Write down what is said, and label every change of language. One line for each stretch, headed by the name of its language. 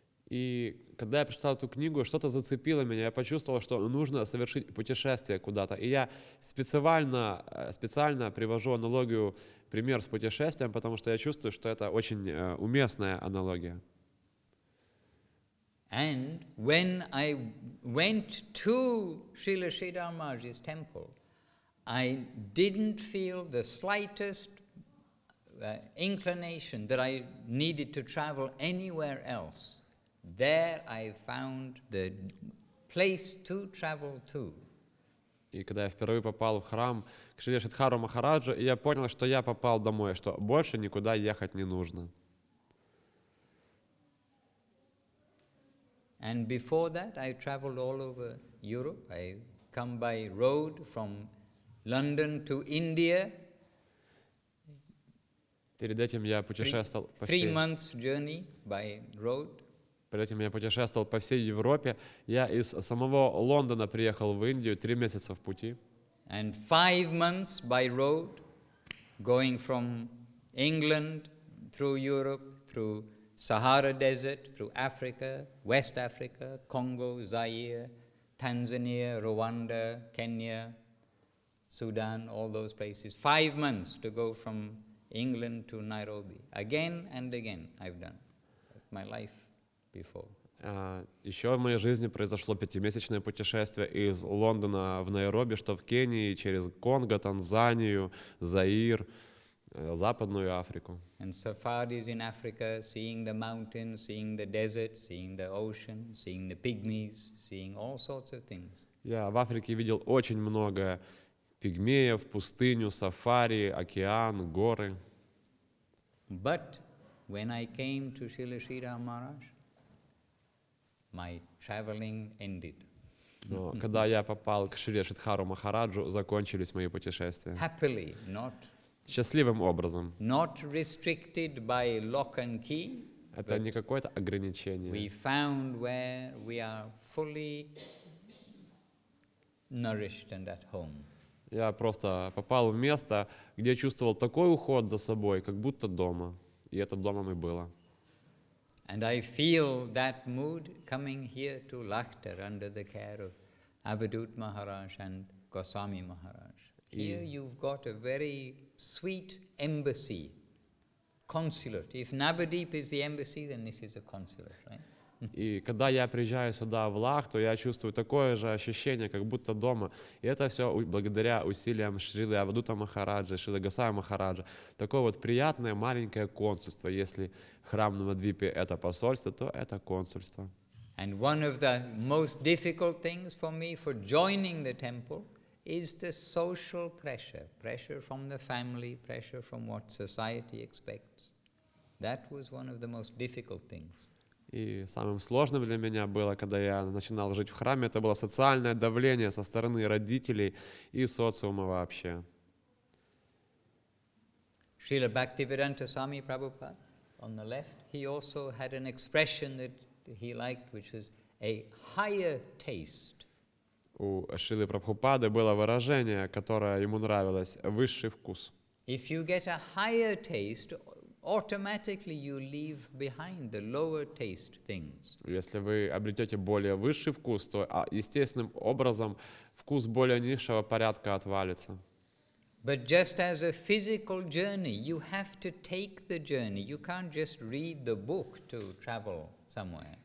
Russian: И когда я прочитал эту книгу, что-то зацепило меня. Я почувствовал, что нужно совершить путешествие куда-то. И я специально привожу аналогию, пример с путешествием, потому что я чувствую, что это очень уместная аналогия.
English: And when I went to Srila Sridhar Maharaj's temple, I didn't feel the slightest inclination that I needed to travel anywhere else. There I found the place to travel to.
Russian: И когда я впервые попал в храм к Шри Шридхару Махараджу, я понял, что я попал домой, что больше никуда ехать не нужно.
English: And before that, I traveled all over Europe. I come by road from London to India.
Russian: Перед этим я путешествовал по всей...
English: 3 months journey by road.
Russian: Перед этим я путешествовал по всей Европе. Я из самого Лондона приехал в Индию, 3 месяца в пути.
English: And 5 months by road, going from England through Europe, through Sahara Desert, through Africa, West Africa, Congo, Zaire, Tanzania, Rwanda, Kenya, Sudan, all those places. 5 months to go from England to Nairobi. Again and again I've done my life before.
Russian: Еще в моей жизни произошло 5-месячное путешествие из Лондона в Найроби, что в Кении, через Конго, Танзанию, Заир, Западную Африку.
English: And safaris in Africa, seeing the mountains, seeing the desert, seeing the ocean, seeing the pygmies, seeing all sorts of things.
Russian: Я в Африке видел очень много пигмеев, пустыню, сафари, океан, горы.
English: But when I came to Srila Sridhar Maharaj, my traveling ended.
Russian: Но когда я попал к Шри Шридхару Махараджу, закончились мои путешествия.
English: Happily, not.
Russian: Счастливым образом.
English: Not restricted by lock and key.
Russian: Это не какое-то ограничение.
English: We found where we are fully nourished and at home.
Russian: Я просто попал в место, где чувствовал такой уход за собой, как будто дома. И это домом и было.
English: And I feel that mood coming here to Lakhtar under the care of Avadhut Maharaj and Goswami Maharaj. Here you've got a very sweet embassy, consulate. If Navadvip is the embassy, then this is a consulate, right?
Russian: И когда я приезжаю сюда, в Лахту, я чувствую такое же ощущение, как будто дома. И это все благодаря усилиям Шрилы Авадута Махараджа, Шрилы Госвами Махараджа. Такое вот приятное маленькое консульство. Если храм на Мадвипе — это посольство, то это консульство.
English: And one of the most difficult things for me for joining the temple is the social pressure. Pressure from the family, pressure from what society expects. That was one of the most difficult things.
Russian: И самым сложным для меня было, когда я начинал жить в храме, это было социальное давление со стороны родителей и социума вообще.
English: Srila Bhaktivedanta Swami Prabhupada, on the left, he also had an expression that he liked, which was a higher taste.
Russian: У Шрилы Прабхупады было выражение, которое ему нравилось, высший вкус.
English: If you get a higher taste, automatically you leave behind the lower taste things.
Russian: Если вы обретете более высший вкус, то естественным образом вкус более низшего порядка отвалится.
English: But just as a physical journey, you have to take the journey. You can't just read the book to travel somewhere.